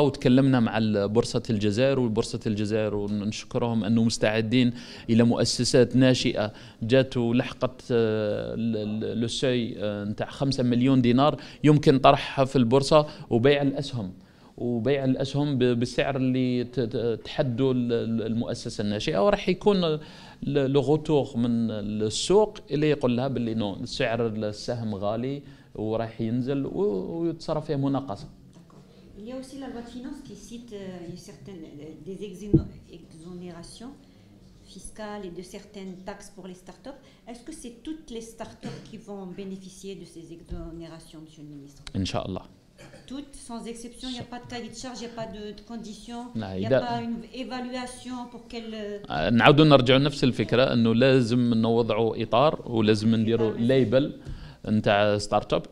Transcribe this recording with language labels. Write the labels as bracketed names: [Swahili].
[Arabic] وتكلمنا مع بورصة الجزائر وبورصة الجزائر ونشكرهم أنه مستعدين إلى مؤسسات ناشئة جات ولحقت لسي نتاع 5 مليون دينار يمكن طرحها في البورصة وبيع الأسهم، وبيع الأسهم بالسعر اللي تحدوا المؤسسة الناشئة، ورح يكون لغوتوغ من السوق اللي يقول لها باللي نو سعر السهم غالي ورح ينزل ويتصرف فيه مناقصة. [French] Il y a aussi la loi de finances qui cite certaines des exonérations fiscales et de certaines taxes pour les startups. Est-ce que c'est toutes les startups qui vont bénéficier de ces exonérations, Monsieur le Ministre? [Arabic] Inch'Allah. [French] Toutes, sans exception, il n'y a pas de cahier de charge, il n'y a pas de conditions, il n'y a pas une évaluation pour quelle... [Arabic] نعود نرجعوا نفس الفكرة أنه لازم نوضعوا إطار ولازم نديروا ليبل نتاع ستارت اب.